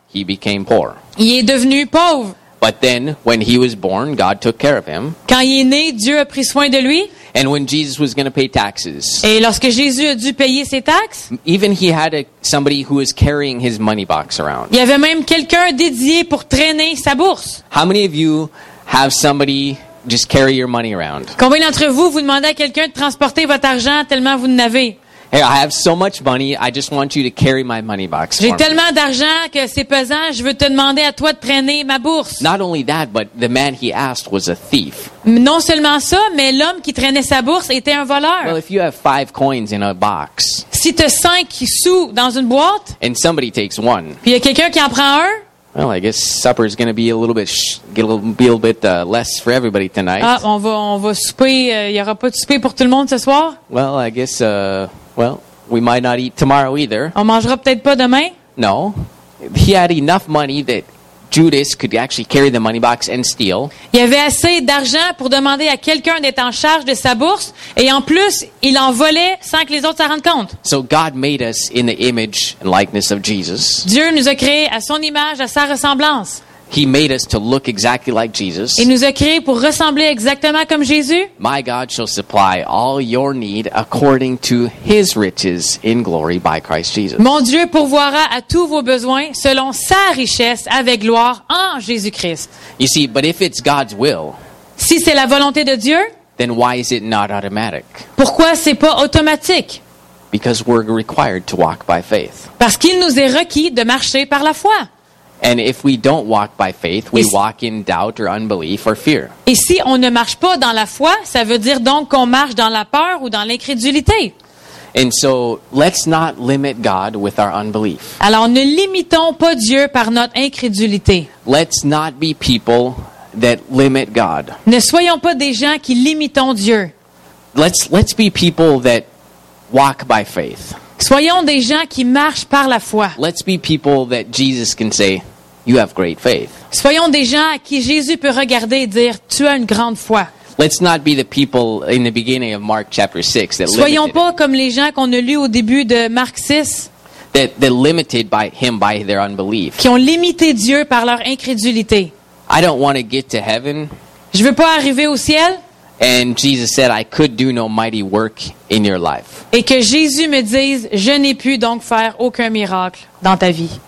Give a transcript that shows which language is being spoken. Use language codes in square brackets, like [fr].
[en] He became poor. [fr] Il est devenu pauvre. [en] But then when he was born, God took care of him. [fr] Quand il est né, Dieu a pris soin de lui. [en] And when Jesus was going to pay taxes. [fr] Et lorsque Jésus a dû payer ses taxes? [en] Even he had somebody who was carrying his money box around. [fr] Il y avait même quelqu'un dédié pour traîner sa bourse. [en] How many of you have somebody just carry your money around? [fr] Combien d'entre vous vous demandez à quelqu'un de transporter votre argent tellement vous n'en avez? [en] Hey, I have so much money, I just want you to carry my money box for me. [fr] J'ai tellement d'argent que c'est pesant, je veux te demander à toi de traîner ma bourse. [en] Not only that, but the man he asked was a thief. [fr] Non seulement ça, mais l'homme qui traînait sa bourse était un voleur. [en] Well, if you have 5 coins in a box. [fr] Si tu as 5 sous dans une boîte. [en] And somebody takes one. [fr] Puis il y a quelqu'un qui en prend un. [en] Well, I guess supper is going to be a little bit less for everybody tonight. [fr] Ah, on va souper, il y aura pas de souper pour tout le monde ce soir? [en] Well, I guess Well, we might not eat tomorrow either. [fr] On mangera peut-être pas demain? [en] No. He had enough money that Judas could actually carry the money box and steal. [fr] Il avait assez d'argent pour demander à quelqu'un d'être en charge de sa bourse et en plus, il en volait sans que les autres s'en rendent compte. [en] So God made us in the image and likeness of Jesus. [fr] Dieu nous a créés à son image, à sa ressemblance. [en] He made us to look exactly like Jesus. [fr] Il nous a créés pour ressembler exactement comme Jésus. [en] My God shall supply all your need according to His riches in glory by Christ Jesus. [fr] Mon Dieu pourvoira à tous vos besoins selon sa richesse avec gloire en Jésus-Christ. [en] You see, but if it's God's will, [fr] si c'est la volonté de Dieu, [en] then why is it not automatic? [fr] Pourquoi c'est pas automatique? [en] Because we're required to walk by faith. [fr] Parce qu'il nous est requis de marcher par la foi. [en] And if we don't walk by faith, we walk in doubt or unbelief or fear. [fr] Et si on ne marche pas dans la foi, ça veut dire donc qu'on marche dans la peur ou dans l'incrédulité. [en] And so, let's not limit God with our unbelief. [fr] Alors ne limitons pas Dieu par notre incrédulité. [en] Let's not be people that limit God. [fr] Ne soyons pas des gens qui limitons Dieu. [en] Let's be people that walk by faith. [fr] Soyons des gens qui marchent par la foi. [en] Let's be people that Jesus can say, you have great faith. [fr] Soyons des gens à qui Jésus peut regarder et dire, tu as une grande foi. [en] Let's not be the people in the beginning of Mark chapter 6 that [fr] soyons pas [en] him. [fr] Comme les gens qu'on a lus au début de Marc 6. [en] That limited by him by their unbelief. [fr] Qui ont limité Dieu par leur incrédulité. [en] I don't want to get to heaven. [fr] Je veux pas arriver au ciel. [en] And Jesus said, I could do no mighty work in your life. [fr] Et que Jésus me dise, je n'ai pu donc faire aucun miracle dans ta vie.